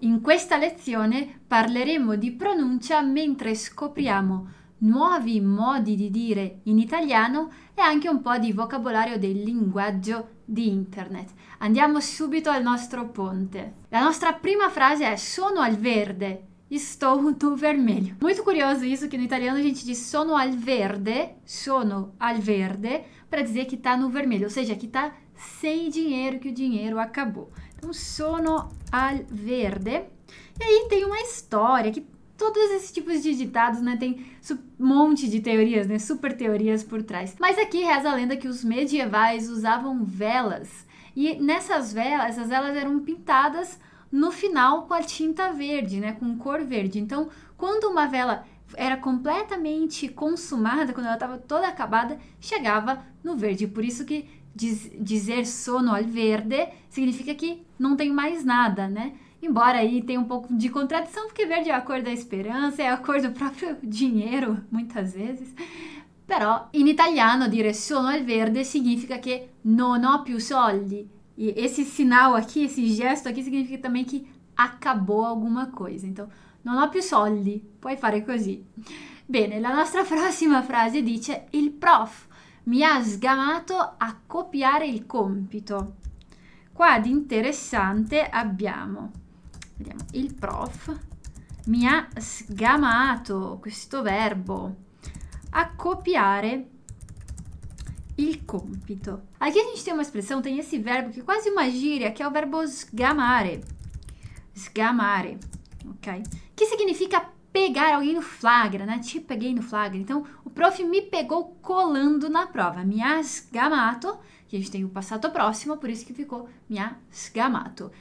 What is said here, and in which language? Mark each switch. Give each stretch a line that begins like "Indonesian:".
Italian: In questa lezione parleremo di pronuncia mentre scopriamo nuovi modi di dire in italiano e anche un po' di vocabolario del linguaggio di internet. Andiamo subito al nostro ponte. La nostra prima frase è sono al verde.
Portuguese: Estou no vermelho. Muito curioso isso que no italiano a gente diz
Italian: sono al verde,
Portuguese: para dizer que tá no vermelho, ou seja, que tá sem dinheiro, que o dinheiro acabou. Então,
Italian: sono al verde.
Portuguese: E aí tem uma história que todos esses tipos de ditados, né, tem monte de teorias, né, super teorias por trás. Mas aqui reza a lenda que os medievais usavam velas e nessas velas, essas velas eram pintadas no final com a tinta verde, né, com cor verde. Então, quando uma vela era completamente consumada, quando ela estava toda acabada, chegava no verde. Por isso que dizer
Italian: sono al verde
Portuguese: significa que não tem mais nada, né? Embora aí tenha um pouco de contradição, porque verde é a cor da esperança, é a cor do próprio dinheiro, muitas vezes.
Italian: Però, in italiano dire sono al verde significa che non ho più soldi.
Portuguese: E esse sinal aqui, esse gesto aqui, significa também que acabou alguma coisa. Então,
Italian: non ho più soldi. Puoi fare così. Bene, la nostra prossima frase dice: Il prof mi ha sgamato a copiare il compito. Qua di interessante abbiamo: vediamo, il prof mi ha sgamato, questo verbo, a copiare il compito.
Portuguese: Aqui a gente tem uma expressão, tem esse verbo que é quase uma gíria, que é o verbo sgamare. Sgamare, ok? Que significa pegar alguém no flagra, né? Te peguei no flagra. Então, o prof me pegou colando na prova.
Italian: Mi ha sgamato,
Portuguese: que a gente tem o passado próximo, por isso que ficou
Italian: mi ha sgamato.